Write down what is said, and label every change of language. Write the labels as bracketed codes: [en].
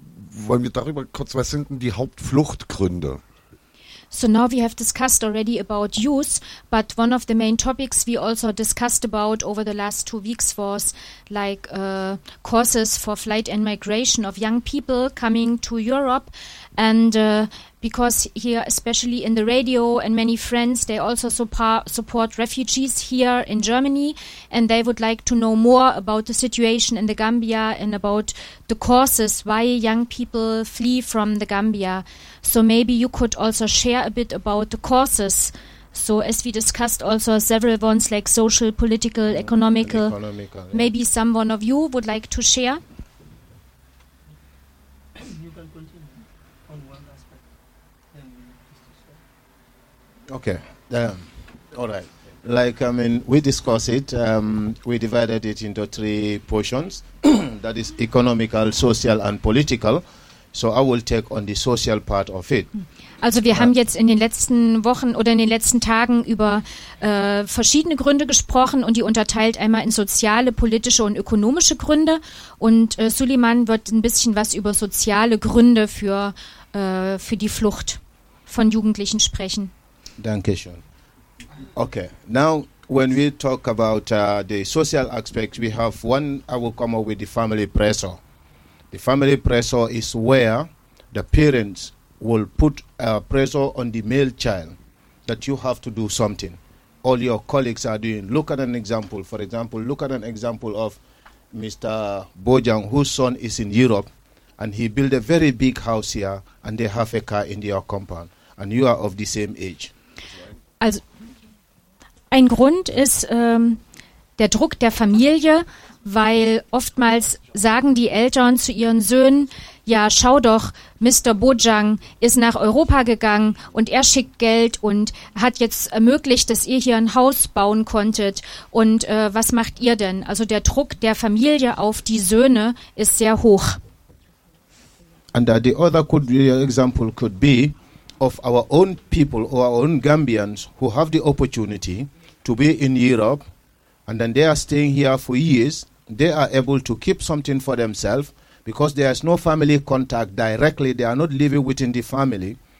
[de] Wollen wir darüber kurz, was sind denn die Hauptfluchtgründe? [en] So now we have discussed already about youth, but one of the main topics we also discussed about over the last 2 weeks was like causes for flight and migration of young people coming to Europe. And because here, especially in the radio and many friends, they also support refugees here in Germany, and they would like to know more about the situation in the Gambia and about the causes why young people flee from the Gambia. So maybe you could also share a bit about the causes. So as we discussed also several ones like social, political, economical, maybe some one of you would like to share. Okay, all right. We discuss it. We divided it into 3 portions. That is economical, social, and political. So I will take on the social part of it. [de] Also wir haben jetzt in den letzten Wochen oder in den letzten Tagen über verschiedene Gründe gesprochen und die unterteilt einmal in soziale, politische und ökonomische Gründe. Und Suleiman wird ein bisschen was über soziale Gründe für die Flucht von Jugendlichen sprechen. Danke schön. [en] Okay, now when we talk about the social aspect, we have one, I will come up with the family pressure. The family pressure is where the parents will put pressure on the male child that you have to do something. All your colleagues are doing. Look at an example. For example, look at an example of Mr. Bojang, whose son is in Europe, and he built a very big house here, and they have a car in their compound, and you are of the same age. [de] Also ein Grund ist der Druck der Familie, weil oftmals sagen die Eltern zu ihren Söhnen, ja schau doch, Mr. Bojang ist nach Europa gegangen und er schickt Geld und hat jetzt ermöglicht, dass ihr hier ein Haus bauen konntet und was macht ihr denn? Also der Druck der Familie auf die Söhne ist sehr hoch. [en] And the other example could be of our own people or our own Gambians who have the opportunity to be in Europe and then they are staying here for years, they are able to keep something for themselves because there is no family contact directly, they are not living within the family.